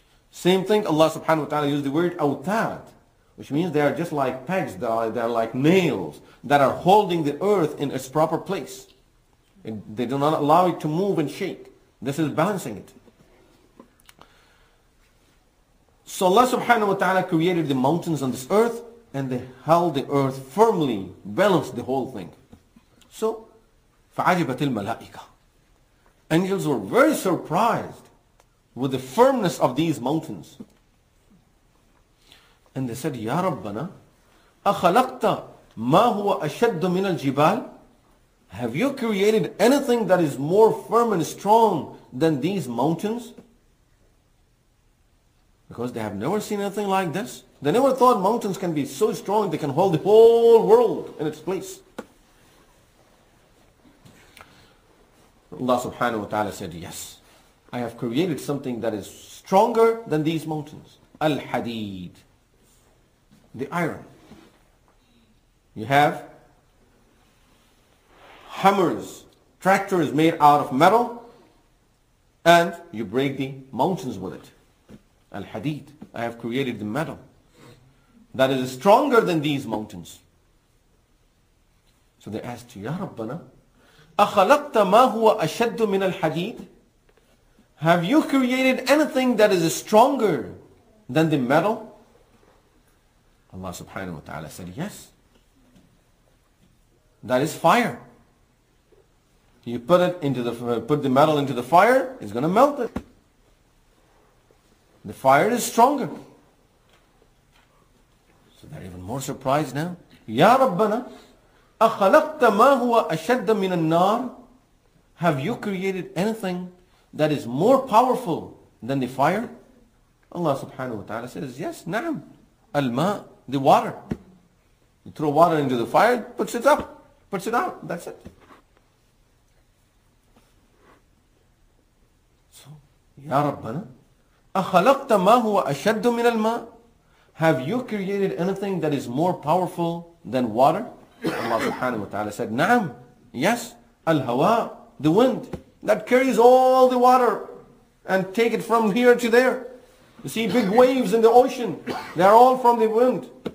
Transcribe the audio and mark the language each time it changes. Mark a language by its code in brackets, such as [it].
[en] Same thing, Allah subhanahu wa ta'ala used the word awtad, which means they are just like pegs, they are like nails that are holding the earth in its proper place. And they do not allow it to move and shake. This is balancing it. So Allah subhanahu wa ta'ala created the mountains on this earth, and they held the earth firmly, balanced the whole thing. [ar] So, فَعَجِبَتِ الْمَلَائِكَ. [en] Angels were very surprised with the firmness of these mountains. [ar] And they said, يَا رَبَّنَا أَخَلَقْتَ مَا هُوَ أَشَدُّ مِنَ الْجِبَالِ. [en] Have you created anything that is more firm and strong than these mountains? Because they have never seen anything like this. They never thought mountains can be so strong they can hold the whole world in its place. Allah subhanahu wa ta'ala said, yes, I have created something that is stronger than these mountains. Al-Hadid, the iron. You have hammers, tractors made out of metal, and you break the mountains with it. Al-Hadid, I have created the metal that is stronger than these mountains. [ar] So they asked, Ya Rabbana, أَخَلَقْتَ مَا هُوَ أَشَدُّ مِنَ الْحَدِيدِ. [en] Have you created anything that is stronger than the metal? Allah subhanahu wa ta'ala said, yes. That is fire. You put it into put the metal into the fire, it's going to melt it. The fire is stronger. So they're even more surprised now. Ya Rabbana, [ar] أَخَلَقْتَ مَا هُوَ أَشَدَّ مِنَ النَّارِ. [en] Have you created anything that is more powerful than the fire? Allah subhanahu wa ta'ala says, yes, na'am. Al-ma, the water. You throw water into the fire, puts it up, puts it out, that's it. [ar] So, Ya Rabbana, أَخَلَقْتَ مَا هُوَ أَشَدُّ مِنَ الْمَا. [en] Have you created anything that is more powerful than water? Allah subhanahu wa ta'ala said, na'am, yes, al-hawa, the wind that carries all the water and take it from here to there. You see big waves in the ocean, they're all from the wind.